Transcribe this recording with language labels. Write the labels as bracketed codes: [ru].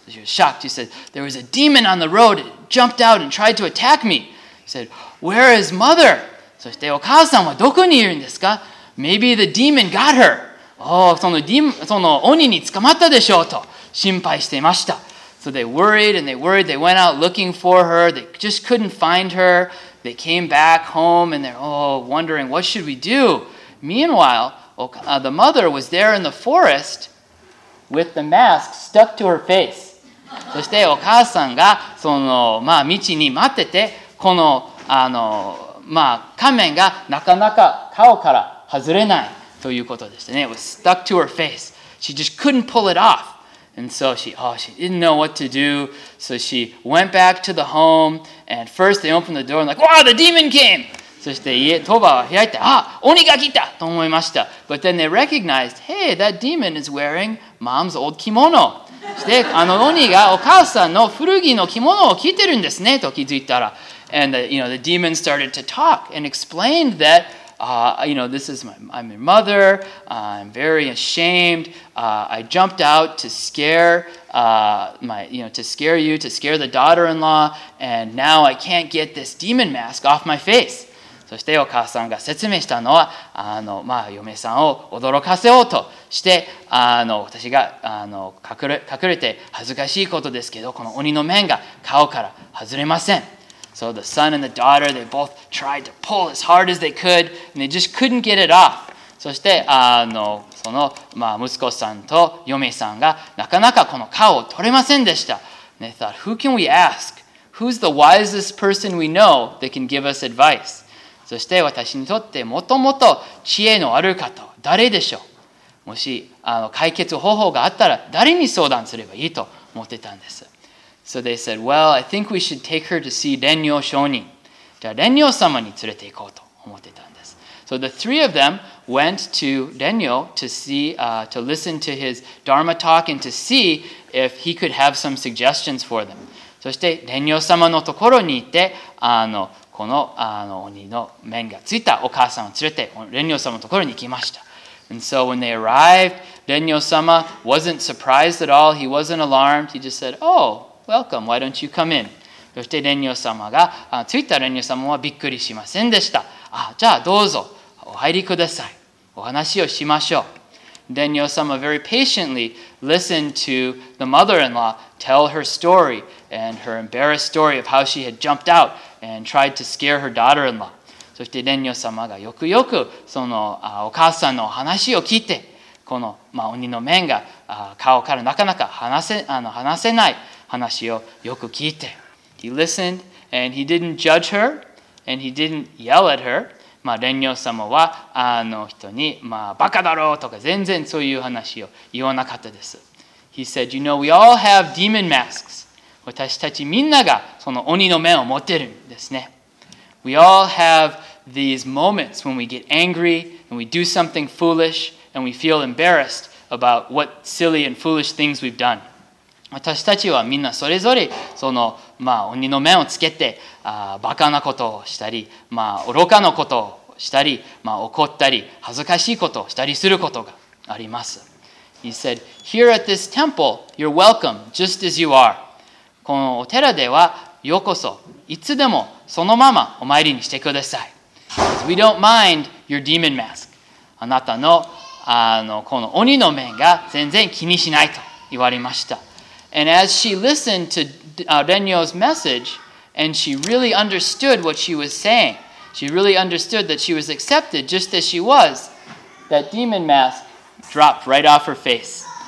[en] She was shocked. She said, there was a demon on the road. It jumped out and tried to attack me. She said, where is mother? [ja] そしてお母さんはどこにいるんですか？ [en] Maybe the demon got her. [ja] Oh, その鬼に捕まったでしょうと心配していました。 [en] So they worried and they worried. They went out looking for her. They just couldn't find her. They came back home and they're all wondering, what should we do? Meanwhile, the mother was there in the forest with the mask stuck to her face. [ja] そしてお母さんがその、まあ、道に待ってて、この、あの、まあ、仮面がなかなか顔から外れないということでしたね。 [en] It was stuck to her face. She just couldn't pull it off. And so she didn't know what to do. So she went back to the home. And first they opened the door and like, wow, the demon came! [ja] そして家、戸場を開いて、あ、鬼が来たと思いました。 [en] But then they recognized, hey, that demon is wearing mom's old kimono. [ja] そして、あの鬼がお母さんの古着の着物を着てるんですねと気づいたら、 [en] And the demon started to talk and explained that, this is I'm your mother. I'm very ashamed. I jumped out to scare to scare the daughter-in-law, and now I can't get this demon mask off my face. [ja] そしてお母さんが説明したのは、あのまあ嫁さんを驚かせようとして、あの私があの隠れて恥ずかしいことですけど、この鬼の面が顔から外れません。 [en] So the son and the daughter, they both tried to pull as hard as they could, and they just couldn't get it off. [ja] そしてあのそのまあ息子さんと嫁さんがなかなかこの顔を取れませんでした。 [en] And they thought, who can we ask? Who's the wisest person we know that can give us advice? [ja] そして私にとってもともと知恵のある方は誰でしょう。もしあの解決方法があったら誰に相談すればいいと思ってたんです。 [en] So they said, well, I think we should take her to see Renyo Shonin. [ja] じゃあ、Renyo 様に連れて行こうと思ってたんです。 [en] So the three of them went to Renyo to see, to listen to his Dharma talk and to see if he could have some suggestions for them. [ja] そして、Renyo 様のところに行って、あの、この、あの、鬼の面がついたお母さんを連れて、Renyo 様のところに行きました。 [en] And so when they arrived, Renyo-sama wasn't surprised at all. He wasn't alarmed. He just said, oh,Welcome. Why don't you come in? [ja] そして蓮如様が着いた蓮如様はびっくりしませんでした。あ、じゃあどうぞお入りください。お話をしましょう。 [en] 蓮如様 very patiently listened to the mother-in-law tell her story and her embarrassed story of how she had jumped out and tried to scare her daughter-in-law. [ja] そして蓮如様がよくよくそのお母さんのお話を聞いて、この、まあ、鬼の面が顔からなかなか話せない。話をよく聞いて。 [en] He listened and he didn't judge her and he didn't yell at her. [ja] まあ、蓮如様はあの人に、まあ、バカだろうとか全然そういう話を言わなかったです。 [en] He said, you know, we all have demon masks. [ja] 私たちみんながその鬼の面を持ってるんですね。 [en] We all have these moments when we get angry and we do something foolish and we feel embarrassed about what silly and foolish things we've done. [ja] 私たちはみんなそれぞれその、まあ、鬼の面をつけてあバカなことをしたり、まあ、愚かなことをしたり、まあ、怒ったり恥ずかしいことをしたりすることがあります。 [en] He said, Here at this temple, you're welcome just as you are. [ja] このお寺ではようこそいつでもそのままお参りにしてください。 [en] We don't mind your demon mask. [ja] あなた の, あのこの鬼の面が全然気にしないと言われました。 [en] And as she listened to Renyo's message, and she really understood what she was saying, she really understood that she was accepted just as she was, that demon mask dropped right off her face.